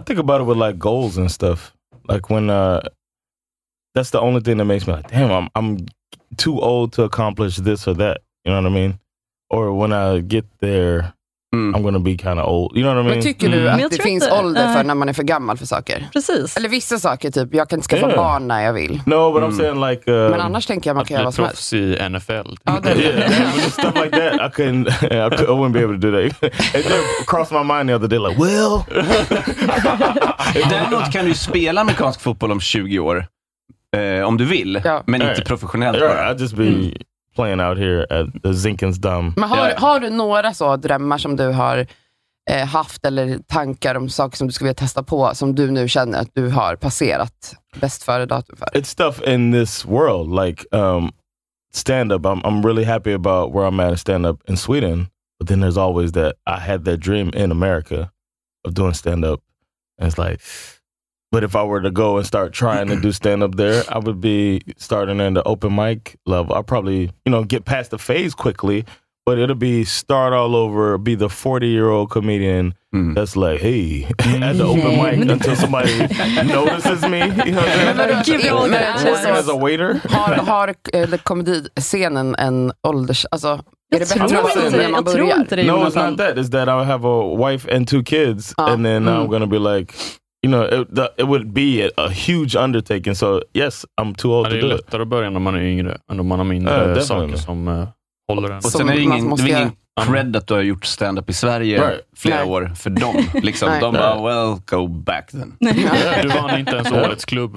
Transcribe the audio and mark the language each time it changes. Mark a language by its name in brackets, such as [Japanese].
[English] I think about it with like goals and stuff. Like when, that's the only thing that makes me like, damn, I'm too old to accomplish this or that. You know what I mean? Or when I get there, I'm gonna be kind of old. You know what I mean? [Swedish] Men tycker du att det finns ålder för när man är för gammal för saker? Precis. Eller vissa saker, typ, jag kan inte skaffa barn när jag vill. [English] No, but I'm saying like... [Swedish] Men annars tänker jag man kan göra vad som helst. Att bli proffs i NFL. [English] Yeah, stuff like that, I wouldn't be able to do that. It just crossed my mind the other day, like, well... [Swedish] Däremot kan du spela amerikansk fotboll om 20 år, om du vill, men inte professionellt. [English] Yeah, I'd just be... playing out here at the Zinkens Dam. [Swedish] Men har du några så drömmar som du har haft eller tankar om saker som du skulle vilja testa på som du nu känner att du har passerat bäst före datum för? [English] It's stuff in this world, like stand up. I'm really happy about where I'm at in stand up in Sweden, but then there's always that I had that dream in America of doing stand up. And it's like, but if I were to go and start trying to do stand-up there, I would be starting in the open mic level. I'd probably, you know, get past the phase quickly, but it'll be start all over, be the 40-year-old comedian that's like, hey, at the open mic until somebody notices me. You know what I mean? Give you all the answers. As a waiter. [Swedish] Har komediscenen en ålders... Alltså, jag tror inte det. [English] No, it's not that. It's that I have a wife and two kids, and then I'm going to be like... You know, it would be a huge undertaking. So, yes, I'm too old to do it. [Swedish] Det är lättare att börja när man är yngre än om man har mindre saker som håller en. Och sen är det ingen cred att du har gjort stand-up i Sverige flera år för dem. Liksom, de bara, [English] well, go back then. [Swedish] Du vann inte ens årets klubb.